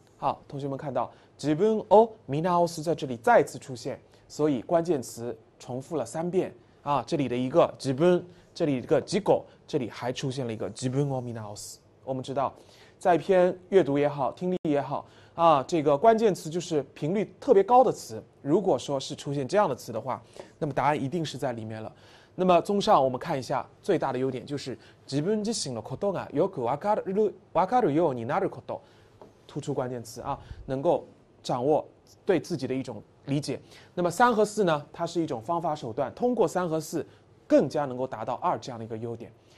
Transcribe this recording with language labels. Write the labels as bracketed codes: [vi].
[zh] 好，同学们看到 [ja] 自分を見直す [zh] 在这里再次出现，所以关键词重复了三遍啊，这里的一个自分，这里一个自己，这里还出现了一个自分を見直す。我们知道在一篇阅读也好，听力也好啊，这个关键词就是频率特别高的词，如果说是出现这样的词的话，那么答案一定是在里面了。那么综上我们看一下最大的优点，就是 [ja] 自分自身のことがよく分かるようになること。 [zh] 突出关键词啊，能够掌握对自己的一种理解。那么三和四呢，它是一种方法手段，通过三和四更加能够达到二这样的一个优点。